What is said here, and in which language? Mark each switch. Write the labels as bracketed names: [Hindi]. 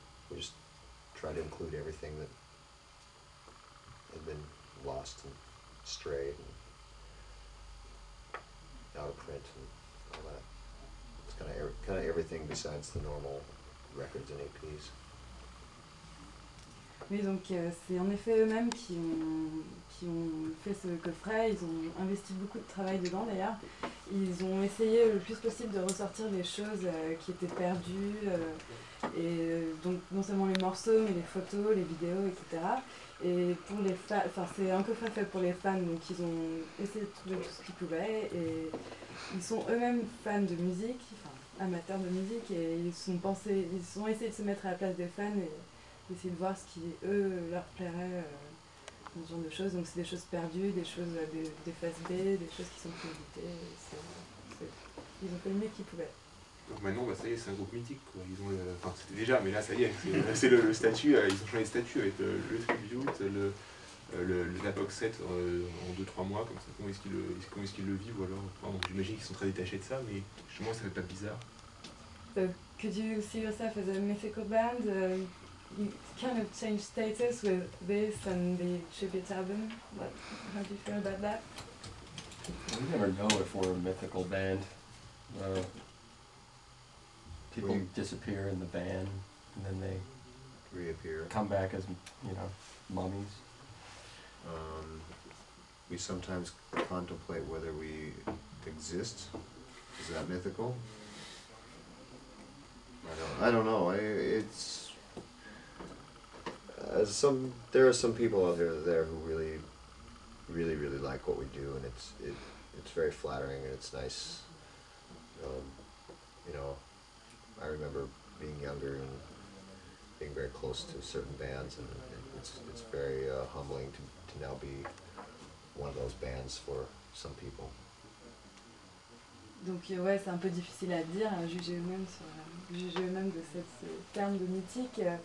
[English] And we just tried to include everything that had been lost and strayed and out of print and all that. It's kind of everything besides the normal records and EPs. [French] Oui, donc c'est en effet eux-mêmes qui ont fait ce coffret, ils ont investi beaucoup de travail dedans d'ailleurs. Ils ont essayé le plus possible de ressortir des choses qui étaient perdues, et donc non seulement les morceaux, mais les photos, les vidéos, etc. Et pour les c'est un coffret fait pour les fans, donc ils ont essayé de trouver tout ce qu'ils pouvaient, et ils sont eux-mêmes fans de musique, enfin amateurs de musique, et ils ont essayé de se mettre à la place des fans, et d'essayer de voir ce qui, eux, leur plairait ce genre de choses. Donc c'est des choses perdues, des choses des phases B, des choses qui sont plus éditées. Ils ont fait le mieux qu'ils pouvaient. Donc maintenant, bah, ça y est, c'est un groupe mythique. Quoi. Ils ont, enfin, c'était déjà, mais là, ça y est, c'est le statut. Ils ont changé de statut avec le tribute, le Napox 7 en 2-3 mois. Comme ça. Comment est-ce qu'ils le vivent alors, enfin, donc, j'imagine qu'ils sont très détachés de ça, mais justement, ça fait pas bizarre. [English] Could you see yourself as a mythical band? Kind of change status with this and the tribute album. What? How do you feel about that? We never know if we're a mythical band. People disappear in the van, and then they reappear. Come back as, you know, mummies. We sometimes contemplate whether we exist. Is that mythical? I don't know. There are some people out there who really, really, really like what we do, and it's very flattering, and it's nice. You know, I remember being younger and being very close to certain bands, and it's very humbling to now be one of those bands for some people. [French] Donc ouais, c'est un peu difficile à dire, à juger eux-mêmes de ce terme de mythique.